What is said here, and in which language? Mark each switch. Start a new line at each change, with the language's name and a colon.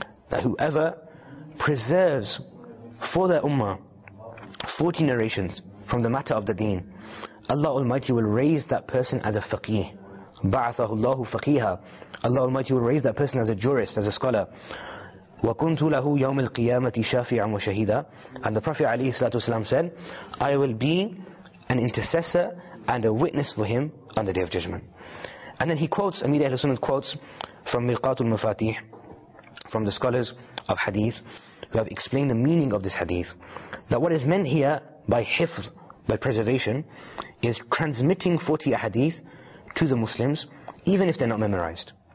English: That whoever preserves for the Ummah 40 narrations from the matter of the deen, Allah Almighty will raise that person as a faqih.
Arabic: بعثه الله فقيها.
English: Allah Almighty will raise that person as a jurist, as a scholar.
Arabic: وكنت له يوم القيامة شافعا وشهيدا.
English: And the Prophet عليه الصلاة والسلام said, I will be an intercessor and a witness for him on the Day of Judgment. And then he quotes, Amir Ahl Sunnah quotes from Miqatul Mufatih, from the scholars of hadith who have explained the meaning of this hadith, that what is meant here by hifz, by preservation, is transmitting 40 ahadith to the Muslims even if they're not memorized.